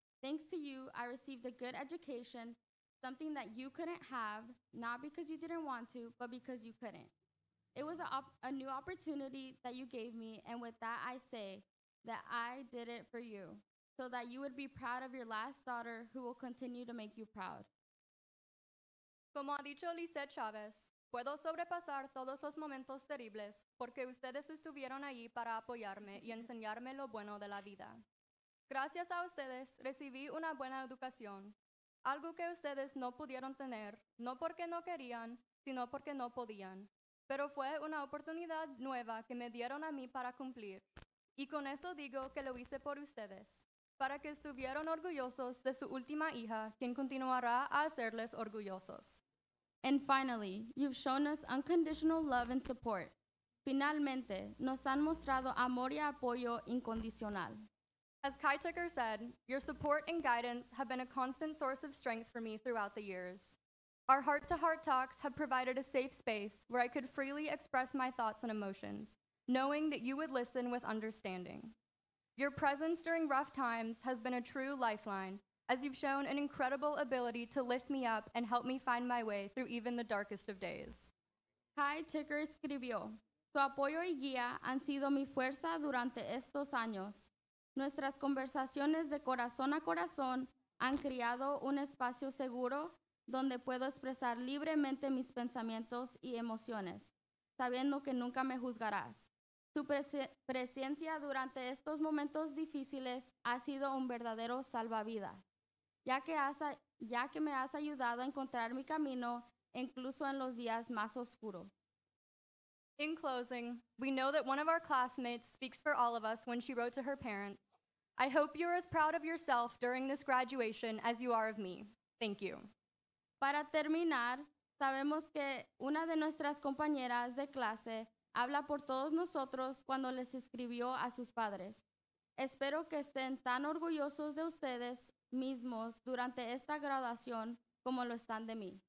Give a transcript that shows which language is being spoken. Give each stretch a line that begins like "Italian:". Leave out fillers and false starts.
English: Thanks to you, I received a good education, something that you couldn't have, not because you didn't want to, but because you couldn't. It was a new opportunity that you gave me, and with that I say that I did it for you, so that you would be proud of your last daughter who will continue to make you proud.
Spanish: Como ha dicho Lizette Chavez, puedo sobrepasar todos los momentos terribles porque ustedes estuvieron ahí para apoyarme y enseñarme lo bueno de la vida. Gracias a ustedes, recibí una buena educación, algo que ustedes no pudieron tener, no porque no querían, sino porque no podían. Pero fue una oportunidad nueva que me dieron a mí para cumplir. Y con eso digo que lo hice por ustedes, para que estuvieran orgullosos de su última hija, quien continuará a hacerles orgullosos.
English: And finally, you've shown us unconditional love and support.
Spanish: Finalmente, nos han mostrado amor y apoyo incondicional.
English: As Kai Tucker said, your support and guidance have been a constant source of strength for me throughout the years. Our heart-to-heart talks have provided a safe space where I could freely express my thoughts and emotions, knowing that you would listen with understanding. Your presence during rough times has been a true lifeline, as you've shown an incredible ability to lift me up and help me find my way through even the darkest of days.
Spanish: Kai Tucker escribió, "Tu apoyo y guía han sido mi fuerza durante estos años. Nuestras conversaciones de corazón a corazón han creado un espacio seguro donde puedo expresar libremente mis pensamientos y emociones, sabiendo que nunca me juzgarás. Tu presencia durante estos momentos difíciles ha sido un verdadero salvavidas, ya que me has ayudado a encontrar mi camino incluso en los días más oscuros."
English: In closing, we know that one of our classmates speaks for all of us when she wrote to her parents, "I hope you're as proud of yourself during this graduation as you are of me. Thank you."
Spanish: Para terminar, sabemos que una de nuestras compañeras de clase habla por todos nosotros cuando les escribió a sus padres. Espero que estén tan orgullosos de ustedes mismos durante esta graduación como lo están de mí.